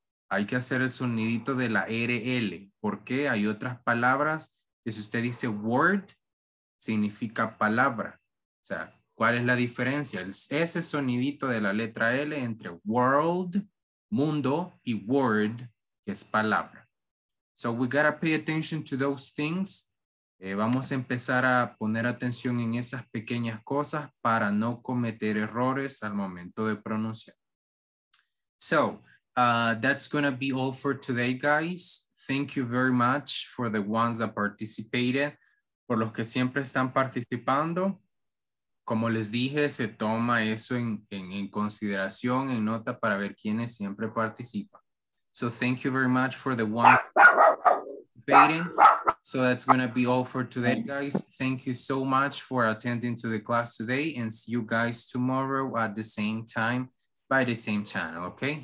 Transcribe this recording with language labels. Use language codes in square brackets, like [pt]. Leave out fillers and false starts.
[es] Hay que hacer el sonidito de la RL. ¿Por qué? Hay otras palabras que si usted dice word, significa palabra. O sea, ¿Cuál es la diferencia? Ese sonidito de la letra L entre world, mundo, y word, que es palabra. [en] So we gotta pay attention to those things. [es] Vamos a empezar a poner atención en esas pequeñas cosas para no cometer errores al momento de pronunciar. [en] So, that's gonna be all for today, guys. Thank you very much for the ones that participated. [es] Por los que siempre están participando, como les dije, se toma eso en consideración, en nota, para ver quiénes siempre participan. [en] So thank you very much for the one participating. So that's going to be all for today, guys. Thank you so much for attending to the class today, and see you guys tomorrow at the same time by the same channel, okay?